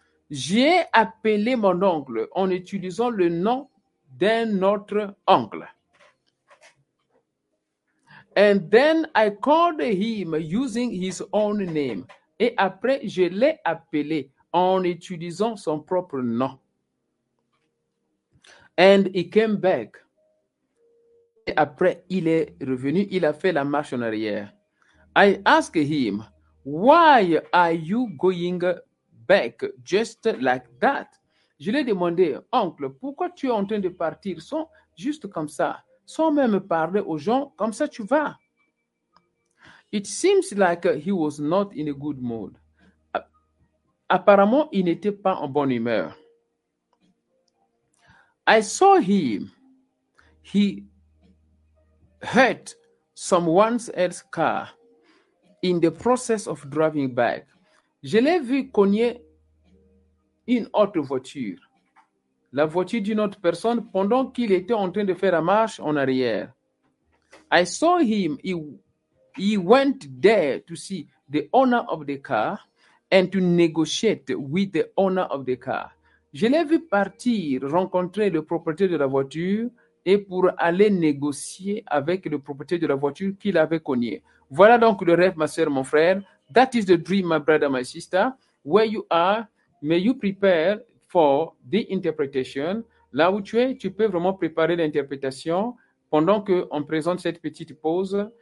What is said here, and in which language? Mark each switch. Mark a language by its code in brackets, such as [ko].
[fr] J'ai appelé mon oncle en utilisant le nom d'un autre oncle. [en] And then I called him using his own name. [fr] Et après, je l'ai appelé en utilisant son propre nom. [en] And he came back. [fr] Et après, il est revenu. Il a fait la marche en arrière. [en] I asked him, why are you going back just like that? [fr] Je lui ai demandé, oncle, pourquoi tu es en train de partir sans juste comme ça, sans même parler aux gens, comme ça tu vas? [en] It seems like he was not in a good mood. [fr] Apparemment, il n'était pas en bonne humeur. [en] I saw him. He hurt someone else's car in the process of driving back. [fr] Je l'ai vu cogner une autre voiture, la voiture d'une autre personne, pendant qu'il était en train de faire la marche en arrière. [en] I saw him, he went there to see the owner of the car and to negotiate with the owner of the car. [fr] Je l'ai vu partir, rencontrer le propriétaire de la voiture et pour aller négocier avec le propriétaire de la voiture qu'il avait cogné. Voilà donc le rêve, ma soeur, mon frère. [en] That is the dream, my brother, my sister. Where you are, may you prepare for the interpretation. [fr] Là où tu es, tu peux vraiment préparer l'interprétation pendant qu'on présente cette petite pause.